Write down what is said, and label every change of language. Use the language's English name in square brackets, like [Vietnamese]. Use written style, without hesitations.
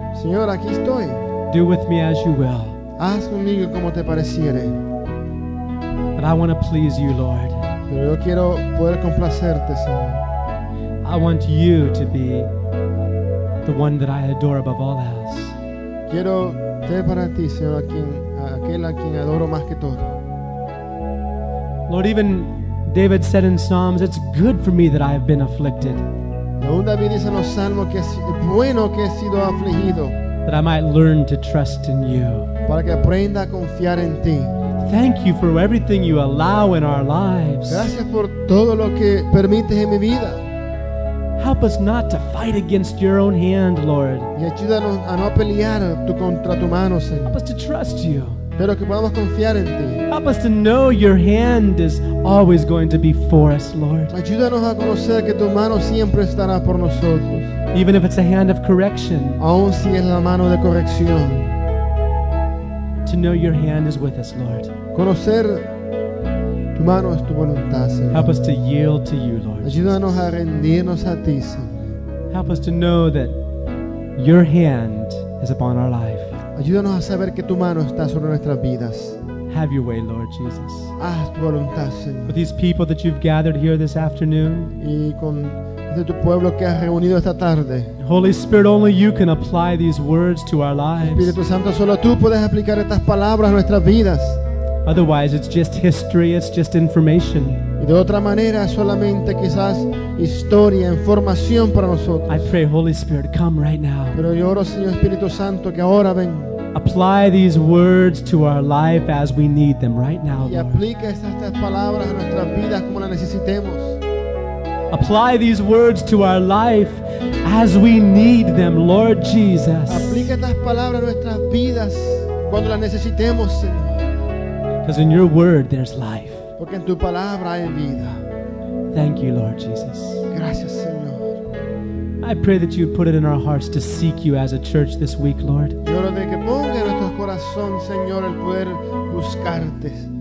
[Spanish] Señora, aquí estoy. [English] Do with me as you will. [Spanish] Haz conmigo como te pareciere. [English] But I want to please you, Lord. [Spanish] Pero yo quiero poder complacerte, Señor. [English] I want you to be the one that I adore above all else. [Spanish] Quiero te para ti, Señor, aquel a quien adoro más que todo. [English] Lord, even David said in Psalms, it's good for me that I have been afflicted. [Spanish] Aún David dice en los Salmos que es bueno que he sido afligido. [English] That I might learn to trust in you. [Spanish] Para que aprenda a confiar en ti. [English] Thank you for everything you allow in our lives. [Spanish] Gracias por todo lo que permites en mi vida. [English] Help us not to fight against your own hand, Lord. [Spanish] Y ayúdanos a no pelear contra tu mano, Señor. [English] Help us to trust you. [Spanish] Pero que podamos confiar en ti. [English] Help us to know your hand is always going to be for us, Lord. [Spanish] Ayúdanos a conocer que tu mano siempre estará por nosotros. [English] Even if it's a hand of correction. [Spanish] Aun si es la mano de corrección. [English] To know your hand is with us, Lord. [Spanish] Conocer tu mano es tu voluntad, Señor. [English] Help us to yield to you, Lord. [Spanish] Ayúdanos a rendirnos a ti, Señor. [English] Help us to know that your hand is upon our life. [Spanish] Ayúdanos a saber que tu mano está sobre nuestras vidas. [English] Have your way, Lord Jesus. [Spanish] Haz tu voluntad, Señor. [English] With these people that you've gathered here this afternoon. [Spanish] Y con de tu pueblo que has reunido esta tarde. [English] Holy Spirit, only you can apply these words to our lives. [Spanish] Espíritu Santo, solo tú puedes aplicar estas palabras a nuestras vidas. [English] Otherwise, it's just history, it's just information. [Spanish] Y de otra manera, solamente quizás historia, información para nosotros. [English] I pray, Holy Spirit, come right now. [Spanish] Pero yo oro, Señor Espíritu Santo, que ahora ven. [English] Apply these words to our life as we need them right now, [Spanish] Lord. Y aplica estas palabras a nuestras vidas como las necesitemos. [English] Apply these words to our life as we need them, Lord Jesus. [Spanish] Aplica estas palabras a nuestras vidas cuando las necesitemos, Señor. [English] Because in your word there's life. [Spanish] Porque en tu palabra hay vida. [English] Thank you, Lord Jesus. [Spanish] Gracias, Señor. [English] I pray that you would put it in our hearts to seek you as a church this week, Lord. [Spanish] Yo oro de que ponga en nuestro corazón, Señor, el poder buscarte.